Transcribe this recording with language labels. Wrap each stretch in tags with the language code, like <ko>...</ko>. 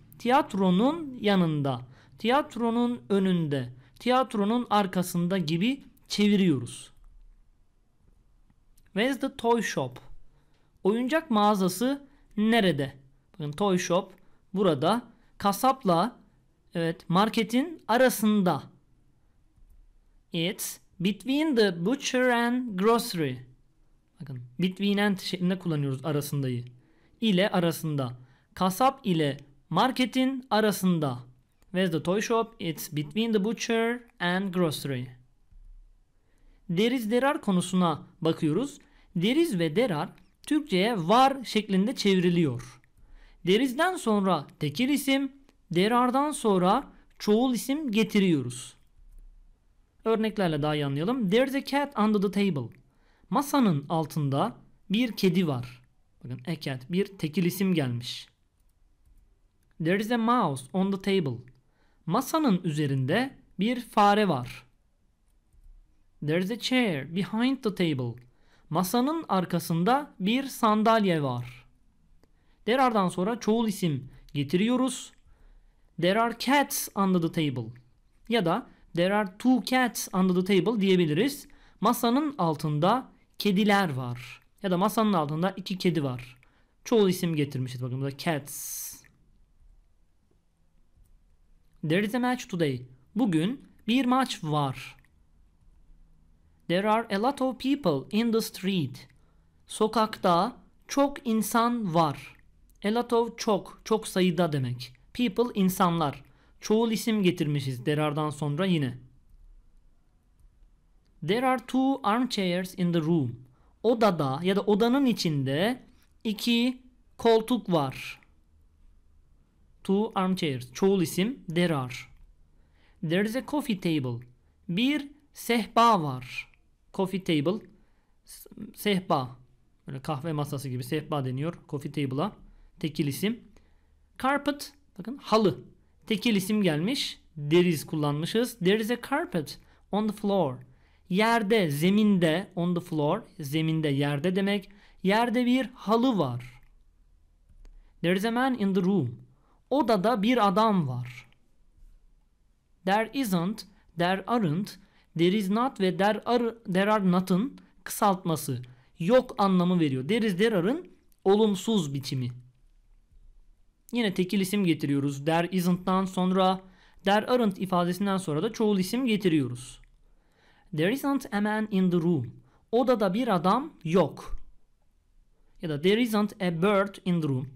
<tr>Tiyatronun yanında, tiyatronun önünde, tiyatronun arkasında gibi çeviriyoruz.</tr> <en>Where's the toy shop?</en> <tr>Oyuncak mağazası nerede? Bakın,</tr> <en>toy shop</en> <tr>burada. Kasapla, evet, marketin arasında.</tr> <en>It's between the butcher and grocery.</en> <tr>Bakın,</tr> <en>between and</en> <tr>şeklinde kullanıyoruz arasındayı. İle arasında. Kasap ile marketin arasında.</tr> <en>Where's the toy shop? It's between the butcher and grocery.</en> <tr>Deriz derar konusuna bakıyoruz. Deriz ve derar Türkçe'ye var şeklinde çevriliyor. Derizden sonra tekil isim, derardan sonra çoğul isim getiriyoruz. Örneklerle daha iyi anlayalım.</tr> <en>There's a cat under the table.</en> <tr>Masanın altında bir kedi var. Bakın,</tr> <en>a cat,</en> <tr>bir tekil isim gelmiş.</tr> <en>There is a mouse on the table.</en> <tr>Masanın üzerinde bir fare var.</tr> <en>There is a chair behind the table.</en> <tr>Masanın arkasında bir sandalye var. Derardan sonra çoğul isim getiriyoruz.</tr> <en>There are cats under the table.</en> <tr>Ya da</tr> <en>there are two cats under the table</en> <tr>diyebiliriz. Masanın altında kediler var. Ya da masanın altında iki kedi var. Çoğul isim getirmişiz. Bakın, burada cats.</tr> <en>There is a match today.</en> <tr>Bugün bir maç var.</tr> <en>There are a lot of people in the street.</en> <tr>Sokakta çok insan var.</tr> <en>A lot of,</en> <tr>çok, çok sayıda demek. People, insanlar. Çoğul isim getirmişiz derardan sonra yine.</tr> <en>There are two armchairs in the room.</en> <tr>Odada ya da odanın içinde iki koltuk var.</tr> <en>Two armchairs.</en> <tr>Çoğul isim.</tr> <en>There are. There is a coffee table.</en> <tr>Bir sehpa var.</tr> <en>Coffee table.</en> <tr>Sehpa. Böyle kahve masası gibi sehpa deniyor. Coffee table'a. Tekil isim. Carpet. Bakın, halı. Tekil isim gelmiş.</tr> <en>There is</en> <tr>kullanmışız.</tr> <en>There is a carpet on the floor.</en> <tr>Yerde, zeminde.</tr> <en>On the floor.</en> <tr>Zeminde, yerde demek. Yerde bir halı var.</tr> <en>There is a man in the room.</en> <tr>Odada bir adam var.</tr> <en>There isn't, there aren't, there is not ve there are not'ın</en> <tr>kısaltması yok anlamı veriyor.</tr> <en>There is,</en> <tr>there are'ın olumsuz biçimi. Yine tekil isim getiriyoruz. There isn't'dan sonra,</tr> <en>there aren't</en> <tr>ifadesinden sonra da çoğul isim getiriyoruz.</tr> <en>There isn't a man in the room.</en> <tr>Odada bir adam yok. Ya da</tr> <en>there isn't a bird in the room.</en>